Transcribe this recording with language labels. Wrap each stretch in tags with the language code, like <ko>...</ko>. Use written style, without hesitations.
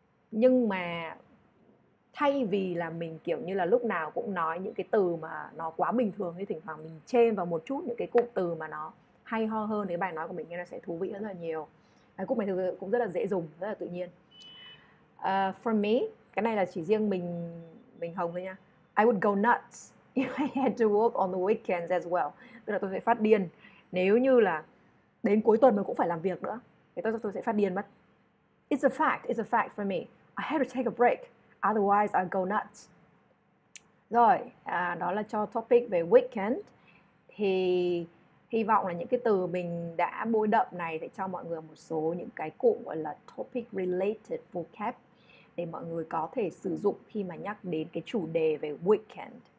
<vi>Nhưng mà thay vì là mình kiểu như là lúc nào cũng nói những cái từ mà nó quá bình thường thì thỉnh thoảng mình chêm vào một chút những cái cụm từ mà nó hay ho hơn thì bài nói của mình nghe nó sẽ thú vị rất là nhiều. Bài cúp này thực sự cũng rất là dễ dùng, rất là tự nhiên.</vi> <en>For me,</en> <vi>cái này là chỉ riêng mình Hồng thôi nha.</vi> <en>I would go nuts if I had to work on the weekends as well.</en> <vi>Tức là tôi sẽ phát điên nếu như là đến cuối tuần mà cũng phải làm việc nữa. Thì tôi sẽ phát điên mất.</vi> <en>It's a fact for me. I have to take a break, otherwise I'll go nuts.</en> <vi>Rồi, đó là cho topic về weekend. Thì hy vọng là những cái từ mình đã bôi đậm này sẽ cho mọi người một số những cái cụm gọi là</vi> <en>topic related vocab</en> <vi>để mọi người có thể sử dụng khi mà nhắc đến cái chủ đề về weekend.</vi>